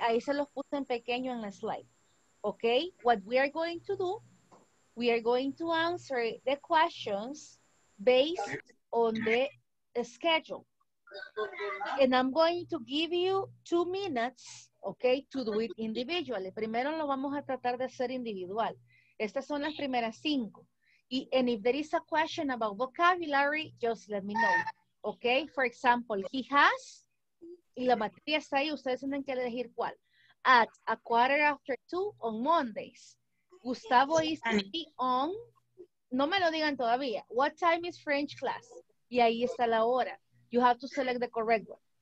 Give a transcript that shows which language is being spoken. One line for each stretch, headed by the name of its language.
Spanish: Ahí se los puse en pequeño en la slide, ok.
English: What we are going to do, we are going to answer the questions based on the schedule. And I'm going to give you 2 minutes, ok, to do it individually.
Spanish: Primero lo vamos a tratar de hacer individual. Estas son las primeras 5.
English: And if there is a question about vocabulary, just let me know. Okay, for example, he has,
Spanish: y la materia está ahí, ustedes tienen que elegir cuál.
English: At a quarter after two on Mondays. Gustavo is to be on,
Spanish: no me lo digan todavía.
English: What time is French class?
Spanish: Y ahí está la hora.
English: You have to select the correct one.